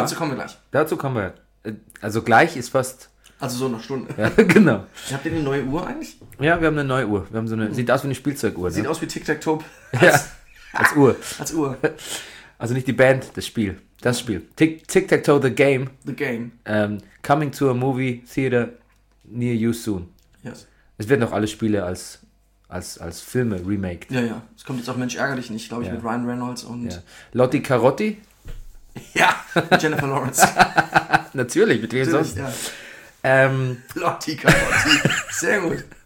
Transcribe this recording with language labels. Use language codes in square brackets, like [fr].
[de] Dazu kommen wir gleich. Dazu kommen wir. Also gleich ist fast... Also so eine Stunde. Ja, genau. Habt ihr eine neue Uhr eigentlich? Ja, wir haben eine neue Uhr. Wir haben so eine. Sieht aus wie eine Spielzeuguhr. Sieht aus wie Tic-Tac-Toe. Ja. Als Uhr. Als Uhr. Also nicht die Band, das Spiel. Das Spiel. Tic-Tac-Toe, The Game. [en] The Game. Coming to a movie theater near you soon. Yes. [de] Es werden auch alle Spiele als Filme remaked. Ja, ja. Es kommt jetzt auch Mensch ärgerlich nicht, glaube ich, mit Ryan Reynolds und... Ja. Lotti Carotti? Ja, Jennifer Lawrence. Natürlich, mit wem sonst? Ja. Lotti Carotti. Sehr gut.